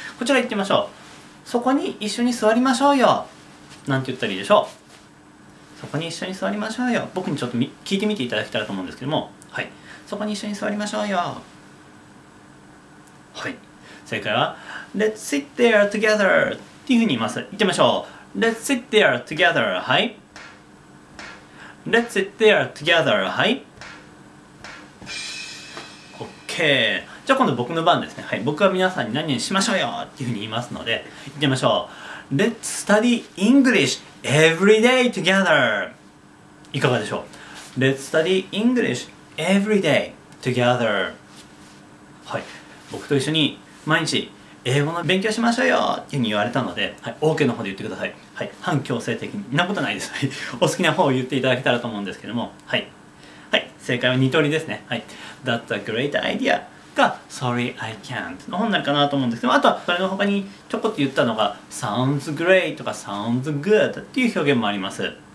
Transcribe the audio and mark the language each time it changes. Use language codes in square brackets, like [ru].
[ja] こちら行ってみましょう。そこに一緒に座りましょうよ。なんて言ったらいいでしょう。そこに一緒に座りましょうよ。僕にちょっと聞いてみていただきたいと思うんですけども。はい。そこに一緒に座りましょうよ。はい。正解は、 [en] Let's sit there together [ja] っていうふうに言います。言ってみましょう。 [en] Let's sit there together. [ja] はい。 [en] Let's sit there together. [ja] はい。 [en] OK。 [ja] じゃあ今度僕の番ですね。はい。僕は皆さんに何にしましょうよっていうふうに言いますので、言ってみましょう。 [en] Let's study English every day together. [ja] いかがでしょう。 [en] Let's study English every day together. [ja] はい。僕と一緒に毎日英語の勉強しましょうよっていうふうに言われたので、はい、OK の方で言ってください。はい。反強制的なことないです。お好きな方を言っていただけたらと思うんですけども、はい。はい。正解は二通りですね。はい。 [en] That's a great idea. Sorry, I can't [ja] の本になるかなと思うんですけど、あとはそれの他にちょこっと言ったのが Sounds great とか Sounds good っていう表現もあります。